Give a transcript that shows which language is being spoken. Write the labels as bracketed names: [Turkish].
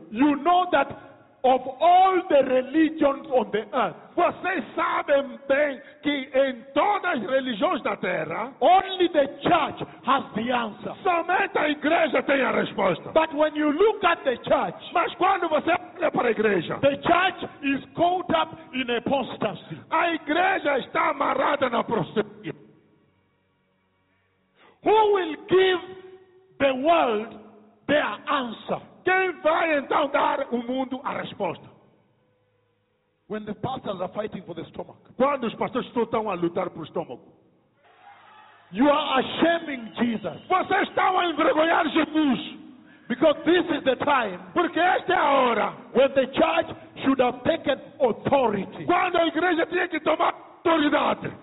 [English] you know that of all the religions on the earth, [Portuguese] vocês sabem bem que em todas as religiões da terra, [English] only the church has the answer. [Portuguese] Somente a igreja tem a resposta. [English] But when you look at the church, [Portuguese] mas quando você olha para a igreja, [English] the church is caught up in apostasy. [Portuguese] A igreja está amarrada na apostasia. [English] Who will give the world their answer? [Portuguese] Quem vai então dar o mundo a resposta? [English] When the pastors are fighting for the stomach. [Portuguese] Quando os pastores estão a lutar por o estômago. [English] You are ashaming Jesus. [Portuguese] Vocês estão a envergonhar Jesus. [English] Because this is the time. [Portuguese] Porque esta é a hora. [English] When the church should have taken authority. [Portuguese] Quando a igreja tinha que tomar autoridade.